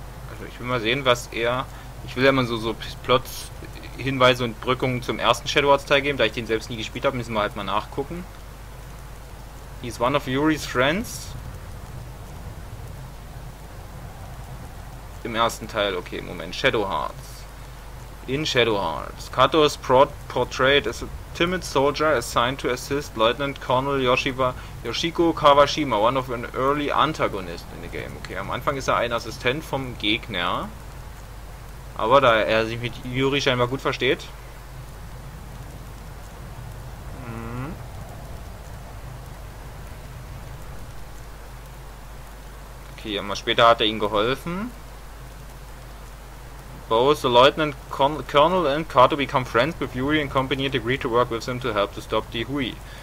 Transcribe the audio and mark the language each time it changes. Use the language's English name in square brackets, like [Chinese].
[German] Also ich will mal sehen, was er... Ich will ja mal so Plots, Hinweise und Brückungen zum ersten Shadow Hearts Teil geben, da ich den selbst nie gespielt habe, müssen wir halt mal nachgucken. [English] He's one of Yuri's friends. [German] Im ersten Teil, okay, Moment, Shadow Hearts. In Shadow Hearts. [English] Kato is portrayed as a timid soldier assigned to assist Lieutenant Colonel Yoshiko Kawashima, one of an early antagonist in the game. [German] Okay, am Anfang ist er ein Assistent vom Gegner. Aber da er sich mit Yuri scheinbar gut versteht. Okay, aber später hat er ihm geholfen. [English] Both the Lieutenant Colonel and Kato become friends with Yuri and company and agree to work with him to help to stop the Hui.